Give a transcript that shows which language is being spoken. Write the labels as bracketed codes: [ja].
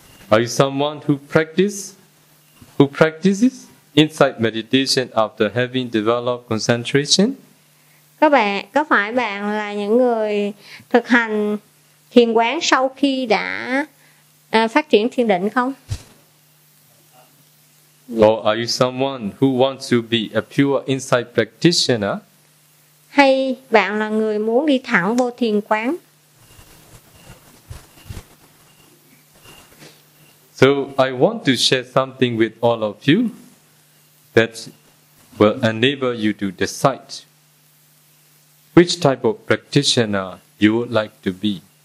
[en] Are you someone who practices insight meditation after having developed concentration? [vi] Có phải bạn là những người thực hành thiền quán sau khi đã phát triển thiền định không? [en] Or are you someone who wants to be a pure insight practitioner? [vi] Hay bạn là người muốn đi thẳng vô thiền quán? [en] So I want to share something with all of you that will enable you to decide which type of practitioner you would like to be.